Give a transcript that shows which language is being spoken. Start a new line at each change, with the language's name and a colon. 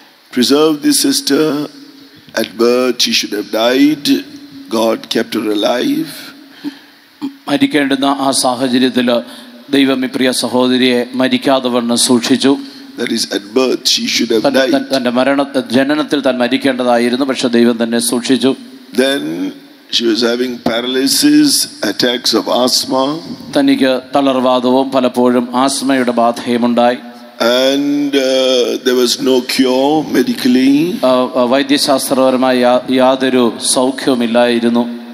English: Preserve this sister at birth. She should have died. God kept her alive.
Malayalam: മരിക്കേണ്ടുന്ന ആ സാഹചര്യത്തിൽ ദൈവം ഈ പ്രിയ സഹോദരിയെ മരിക്കാതെ വണ്ണം സൂക്ഷിച്ചു.
English: That is at birth. She should have died.
Malayalam: തന്റെ മരണ ജനനത്തിൽ താൻ മരിക്കേണ്ടതായിരുന്നു, പക്ഷേ ദൈവം തന്നെ സൂക്ഷിച്ചു.
English: Then she was having paralysis, attacks of asthma.
Malayalam: തനിക്ക് തളർവാദവും പലപ്പോഴും ആസ്മയുടെ ബാധയും ഉണ്ടായി.
English: And there was no cure medically.
Malayalam: വൈദ്യശാസ്ത്രപരമായി യാതൊരു സൗഖ്യവുമില്ലായിരുന്നു.